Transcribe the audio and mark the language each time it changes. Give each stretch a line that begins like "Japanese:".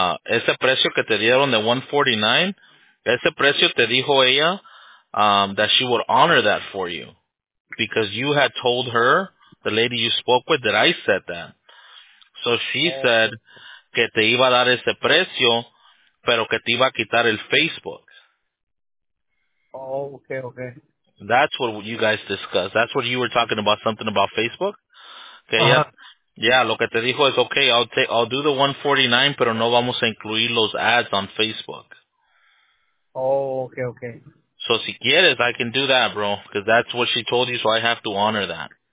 Spanish: ese precio que te dieron de 149, ese precio te dijo ella,
English: that she would honor that for you, because you had told her, the lady you spoke with, that I said that. So she said
Spanish: que te iba a dar ese precio, pero que te iba a quitar el Facebook.
English: Okay. That's what you guys discussed. That's what you were talking about, something about Facebook. Okay, yeah,
Spanish: lo que te dijo es,
English: okay, I'll do the 149,
Spanish: pero no vamos a incluir los
English: ads on Facebook. Okay. So
Spanish: si quieres,
English: I can do that, bro, because that's what she told you, so I have to honor that.